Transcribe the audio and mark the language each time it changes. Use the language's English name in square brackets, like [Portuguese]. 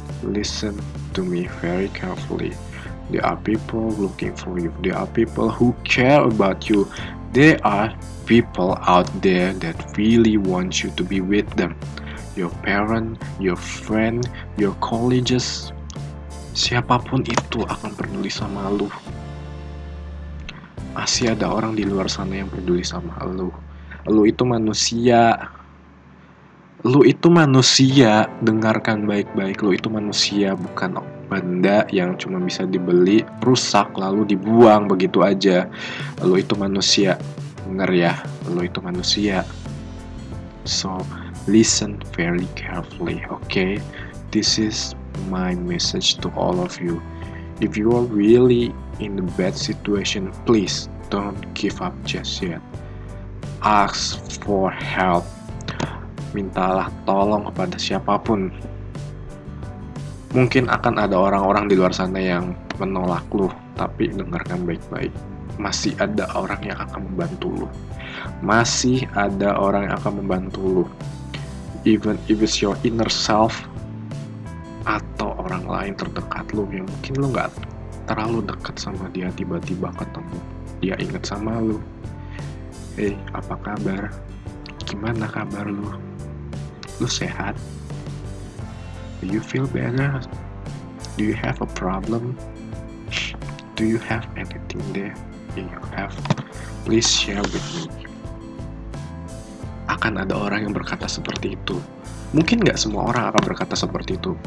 [English] Listen to me very carefully. There are people looking for you. There are people who care about you. There are people out there that really want you to be with them. Your parent, your friend, your colleagues. [Indonesian] Siapapun itu akan peduli sama lu. Masih ada orang di luar sana yang peduli sama lu. Lu itu manusia. Lu itu manusia, dengarkan baik-baik. Lu itu manusia, bukan benda yang cuma bisa dibeli, rusak, lalu dibuang begitu aja. Lu itu manusia, denger ya. Lu itu manusia. [English] So, listen very carefully, okay? This is my message to all of you. If you are really in a bad situation, please don't give up just yet. Ask for help. [Indonesian] Mintalah tolong kepada siapapun. Mungkin akan ada orang-orang di luar sana yang menolak lu, tapi dengarkan baik-baik. Masih ada orang yang akan membantu lu. Masih ada orang yang akan membantu lu. [English] Even if it's your inner self [Indonesian] atau orang lain terdekat lu yang mungkin lu enggak terlalu dekat sama dia, tiba-tiba ketemu, dia ingat sama lu. Hey, apa kabar? Gimana kabar lu? Lu sehat? [English] Do you feel better? Do you have a problem? Do you have anything there? If you have, please share with me. [Indonesian] Akan ada orang yang berkata seperti itu. Mungkin gak semua orang akan berkata seperti itu.